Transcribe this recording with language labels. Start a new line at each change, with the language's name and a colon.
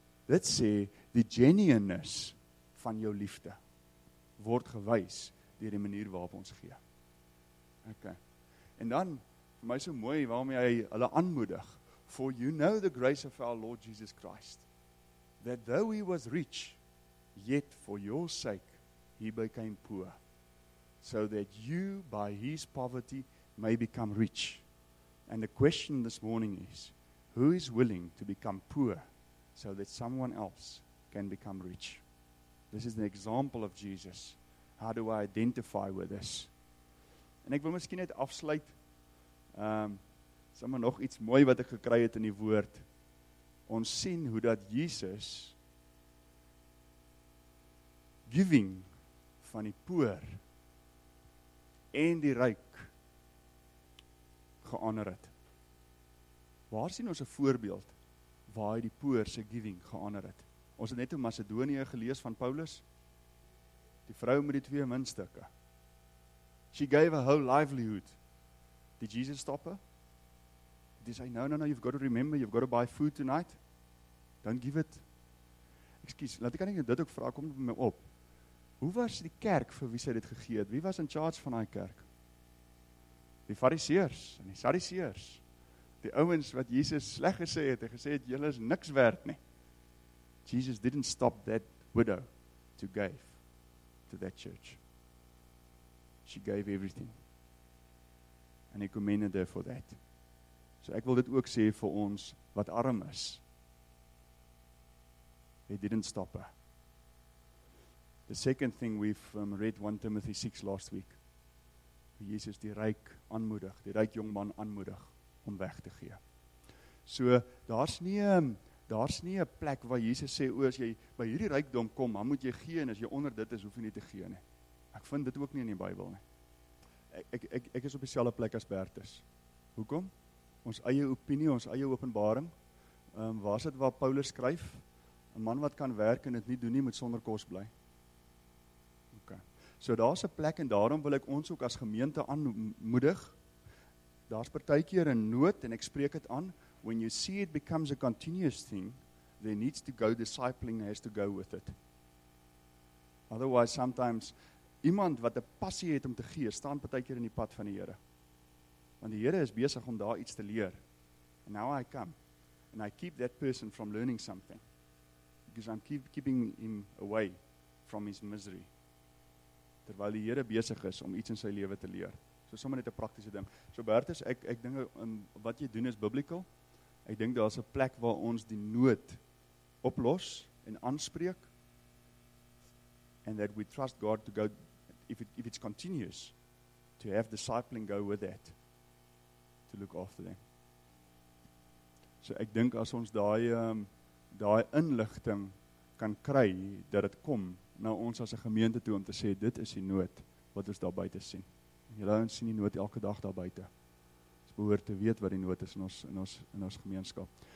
Afrikaans: Dit sê, die genuineness van jou liefde word gewys deur die manier waarop ons gee.
English: Okay.
Afrikaans: En dan, vir my so mooi, waarmee hy hulle aanmoedig,
English: for you know the grace of our Lord Jesus Christ, that though he was rich, yet for your sake he became poor, so that you by his poverty may become rich. And the question this morning is, who is willing to become poor so that someone else can become rich? This is an example of Jesus. How do I identify with this?
Afrikaans: En ek wil miskien net afsluit, sommer nog iets mooi wat ek gekry het in die woord. Ons sien hoe dat Jesus giving van die poor en die ryk geëer het. Waar sien ons 'n voorbeeld waar hy die poor se giving geëer het? Ons het net in Macedonië gelees van Paulus. Die vrou met die twee muntstukke.
English: She gave her whole livelihood. Did Jesus stop her? Did he say, no, you've got to remember, you've got to buy food tonight. Don't give it.
Afrikaans: Excuse, laat ek aan jou dit ook vraag, kom met my op. Hoe was die kerk vir wie sy dit gegee het? Wie was in charge van die kerk? Die fariseers en die sadiseers. Die ouens wat Jesus sleg gesê het, en gesê het, julle is niks werd nie.
English: Jesus didn't stop that widow to give to that church. She gave everything. And he commended her for that.
Afrikaans: So ek wil dit ook sê vir ons wat arm is.
English: They didn't stop her. The second thing we've read 1 Timothy 6 last week.
Afrikaans: Jesus die ryk aanmoedig, die ryk jongman aanmoedig om weg te gee. So daar's nie 'n plek waar Jesus sê, as jy by hierdie rykdom kom, dan moet jy gee en as jy onder dit is, hoef jy nie te gee nie. Ek vind dit ook nie in die Bybel nie. Ek is op dieselfde plek as Bertus. Hoekom? Ons eie opinie, ons eie openbaring. Waar is dit waar Paulus skryf? 'N man wat kan werk en dit nie doen nie, moet sonder kos bly. So daar's 'n plek en daarom wil ek ons ook as gemeente aanmoedig. Daar's partykeer 'n nood en ek spreek dit aan.
English: When you see it becomes a continuous thing, there needs to go discipling has to go with it. Otherwise sometimes
Afrikaans: iemand wat 'n passie het om te gee, staan partykeer in die pad van die Here. Want die Here is besig om daar iets te leer.
English: And now I come and I keep that person from learning something. Because I'm keeping him away from his misery.
Afrikaans: Terwyl die Here besig is om iets in sy lewe te leer. So sommer net 'n praktiese ding. So Bertus, ek dink wat jy doen is biblical. Ek dink daar's 'n plek waar ons die nood oplos en aanspreek.
English: And that we trust God to go if it's continuous to have discipling go with that to look after them.
Afrikaans: So ek dink as ons daai inligting kan kry dat dit kom nou ons as 'n gemeente toe om te sê dit is die nood wat ons daar buite sien. Julle ouens sien die nood elke dag daar buite. Ons behoort te weet wat die nood is in ons gemeenskap.